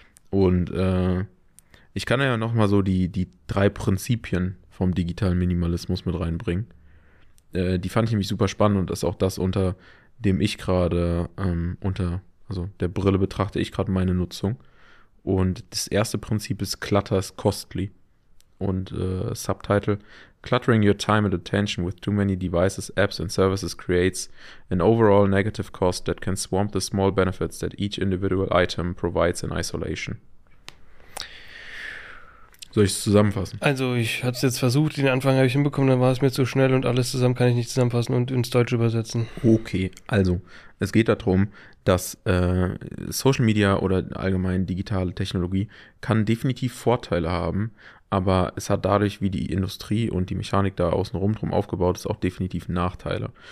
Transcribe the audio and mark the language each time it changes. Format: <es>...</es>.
<de>Und ich kann ja nochmal so die drei Prinzipien vom digitalen Minimalismus mit reinbringen. Die fand ich nämlich super spannend und ist auch das, unter dem ich gerade, also der Brille betrachte ich gerade meine Nutzung. Und das erste Prinzip ist,</de> <en>Clutter is costly.</en> <de>Und</de> <en>Subtitle, cluttering your time and attention with too many devices, apps and services creates an overall negative cost that can swamp the small benefits that each individual item provides in isolation.</en> <de>Soll ich es zusammenfassen? Also ich habe es jetzt versucht, den Anfang habe ich hinbekommen, dann war es mir zu schnell und alles zusammen kann ich nicht zusammenfassen und ins Deutsche übersetzen. Okay, also es geht darum, dass Social Media oder allgemein digitale Technologie kann definitiv Vorteile haben, aber es hat dadurch, wie die Industrie und die Mechanik da außenrum drum aufgebaut ist, auch definitiv Nachteile.</de>